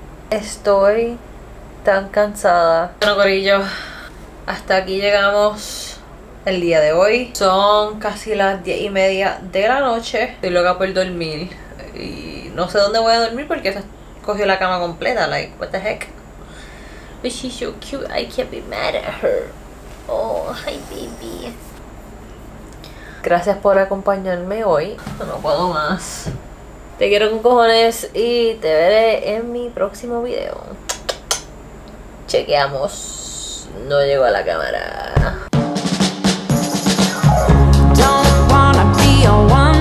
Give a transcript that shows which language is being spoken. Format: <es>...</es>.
<es>Estoy tan cansada. Bueno, corillo, hasta aquí llegamos el día de hoy. Son casi las 10:30 de la noche. Estoy loca por dormir. Y no sé dónde voy a dormir porque se cogió la cama completa.</es> <en>Like, what the heck? But she's so cute, I can't be mad at her. Oh, hi baby.</en> <es>Gracias por acompañarme hoy. No puedo más. Te quiero con cojones y te veré en mi próximo video. Chequeamos. No llego a la cámara.</es> <en>Don't wanna be a</en>